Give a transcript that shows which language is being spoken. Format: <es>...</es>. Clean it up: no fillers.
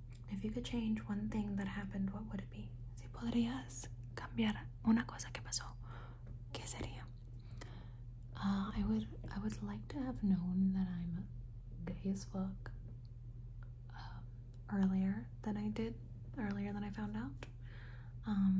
<en>If you could change one thing that happened, what would it be?</en> <es>Si podrías cambiar una cosa que pasó, ¿qué sería?</es> <en>I would like to have known that I'm gay as fuck earlier than I found out.</en>